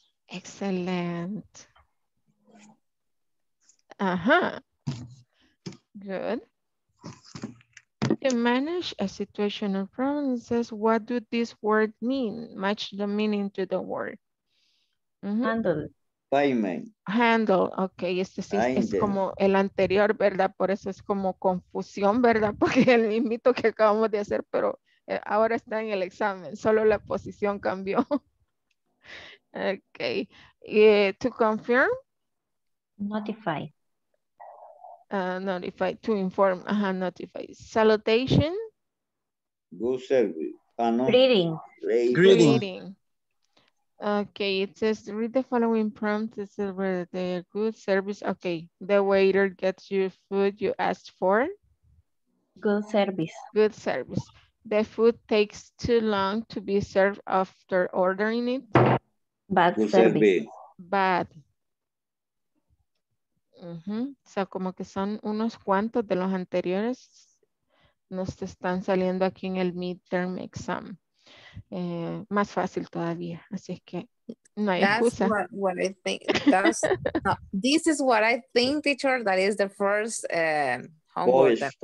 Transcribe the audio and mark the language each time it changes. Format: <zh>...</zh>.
<en>Excellent. Uh-huh. Good. To manage a situation or problem, it says, what do this word mean? Match the meaning to the word. Handle. Payment.</en> <es>Handle, ok, este sí es como el anterior, ¿verdad? Por eso es como confusión, ¿verdad? Porque el mismito que acabamos de hacer, pero ahora está en el examen, solo la posición cambió.</es> <en>Ok, to confirm. Notify. Notify, to inform, ajá, notify. Salutation. Good service. No. Greeting. Greeting. Okay, it says read the following prompt. It says where the good service. Okay, the waiter gets you food you asked for. Good service. Good service. The food takes too long to be served after ordering it. Bad good service. Bad. Uh-huh.</en> <es>O sea, como que son unos cuantos de los anteriores. Nos están saliendo aquí en el midterm exam. Más fácil todavía, así es que no hay</es> <en>that's</en> <es>excusa.</es> <en>What I think. That's, no, this is what I think, teacher, that is the first homework.</en>